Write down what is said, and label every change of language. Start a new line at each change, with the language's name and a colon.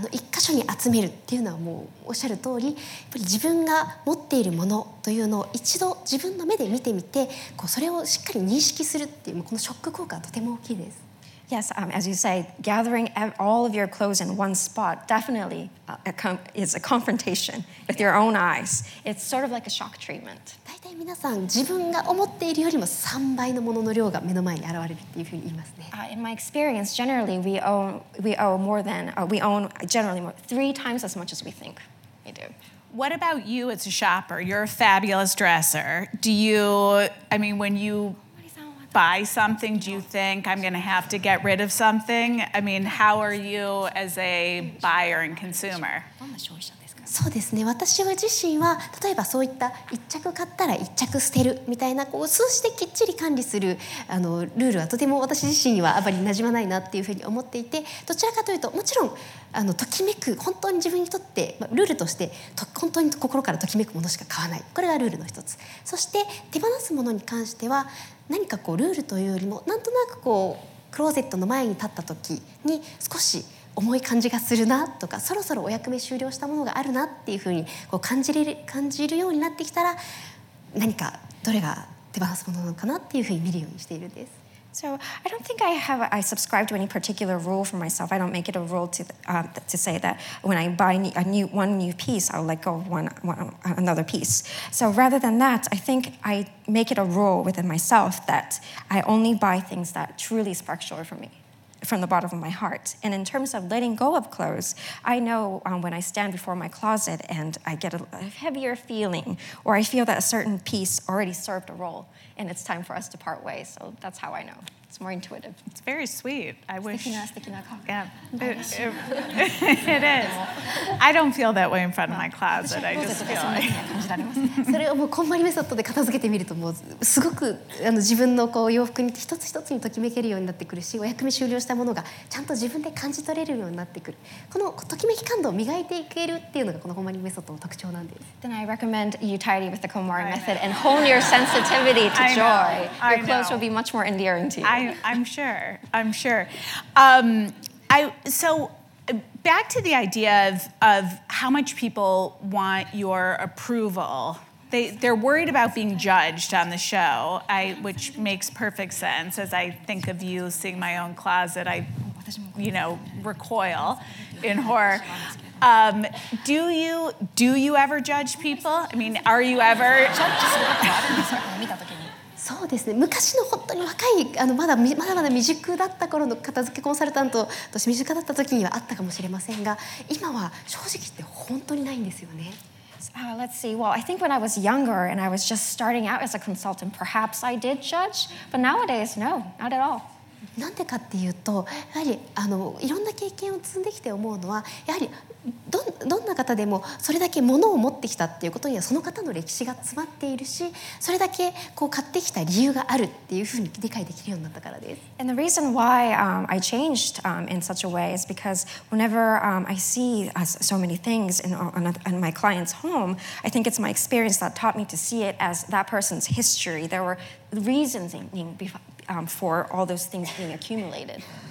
Japanese: 一箇所に集めるっていうのはもうおっしゃる通り、やっぱり自分が持っているものというのを一度自分の目で見てみて、こうそれをしっかり認識するっていう、このショック効果はとても大きいです。
English: Yes, as you say, gathering all of your clothes in one spot definitely is a confrontation with your own eyes. It's sort of like a shock treatment. 大体皆さん自分が思っているよりも3倍のものの量が目の前に現れるっていうふうに言いますね。 In my experience, generally we own generally three times as much as we think we do. What about you as a shopper? You're a fabulous dresser. When you buy something, do you think I'm going to have to get rid of something? I mean, how are you as a buyer and consumer?
Japanese: そうですね。私は自身は、例えばそういった一着買ったら一着捨てるみたいな、こう数字できっちり管理するルールはとても私自身にはあまり馴染まないなっていうふうに思っていて、どちらかというと、もちろんときめく、本当に自分にとって、ルールとして本当に心からときめくものしか買わない。これがルールの一つ。そして手放すものに関しては、何かこうルールというよりも、なんとなくこうクローゼットの前に立った時に少し重い感じがするなとか、そろそろお役目終了したものがあるなっていうふうにこう感じるようになってきたら、何かどれが手放すものなのかなっていうふうに見るようにしているんです。
English: So I don't think I subscribe to any particular rule for myself. I don't make it a rule to say that when I buy a new piece, I'll let go of another piece. So rather than that, I think I make it a rule within myself that I only buy things that truly spark joy for me from the bottom of my heart. And in terms of letting go of clothes, I know when I stand before my closet and I get a heavier feeling, or I feel that a certain piece already served a role and it's time for us to part ways. So that's how I know. It's more intuitive. It's very sweet. I wish. Sticking a coffee. Yeah. It is. I don't feel that way in front of my closet. I just feel like.
Japanese: それをもうコンマリメソッドで片付けてみると、もうすごく自分のこう洋服に一つ一つにときめけるようになってくるし、お役目終了したものがちゃんと自分で感じ取れるようになってくる、このときめき感度を磨いていけるっていうのがこのコンマリメソッドの特徴なんです。
English: Then I recommend you tidy with the Komari method and hone your sensitivity to joy. Your clothes will be much more endearing to you. I'm sure. Back to the idea of how much people want your approval. They're worried about being judged on the show, which makes perfect sense. As I think of you seeing my own closet, I, recoil in horror. Do you ever judge people? I mean, are you ever?
Japanese: そうですね、昔の本当に若いまだまだ未熟だった頃の片付けコンサルタントとして未熟だった時にはあったかもしれませんが、今は正直言って本当にないんですよね。
English: Let's see. Well, I think when I was younger and I was just starting out as a consultant, perhaps I did judge. But nowadays, no, not at all.
Japanese: なんでかっていうと、やはりいろんな経験を積んできて思うのは、やはりどんなどんな方でもそれだけ物を持ってきたっていうことにはその方の歴史が詰まっているし、それだけこう買ってきた理由があるっていうふうに理解できるようになったからです。
English: And the reason why I changed in such a way is because whenever I see so many things in my client's home, I think it's my experience that taught me to see it as that person's history. There were reasons for all those things being accumulated.